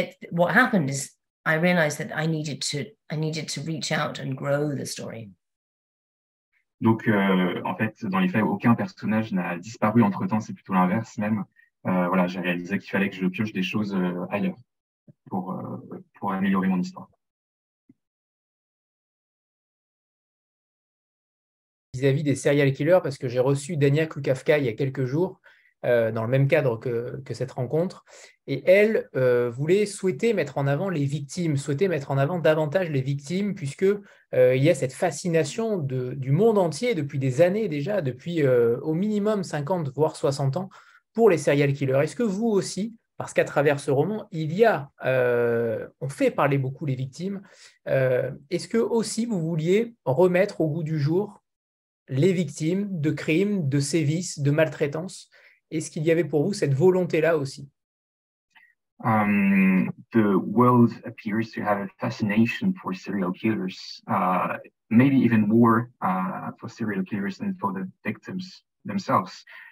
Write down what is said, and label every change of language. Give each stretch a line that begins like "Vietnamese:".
English: What happened is, I realized that I needed to reach out and grow the story.
French: Donc, en fait, dans les faits, aucun personnage n'a disparu entre temps. C'est plutôt l'inverse même. Voilà, j'ai réalisé qu'il fallait que je pioche des choses ailleurs pour améliorer mon histoire. Vis-à-vis des serial killers, parce que j'ai reçu Dania Kukavka il y a quelques jours. Dans le même cadre que cette rencontre, et elle souhaitait mettre en avant les victimes, souhaitait mettre en avant davantage les victimes, puisqu'il y a cette fascination du monde entier depuis des années déjà, depuis au minimum 50 voire 60 ans, pour les serial killers. Est-ce que vous aussi, parce qu'à travers ce roman, on fait parler beaucoup les victimes, est-ce que aussi vous vouliez remettre au goût du jour les victimes de crimes, de sévices, de maltraitances? Est-ce qu'il y avait pour vous cette volonté-là aussi?
English: The world appears to have a fascination for serial killers, maybe even more for serial killers than for the victims themselves.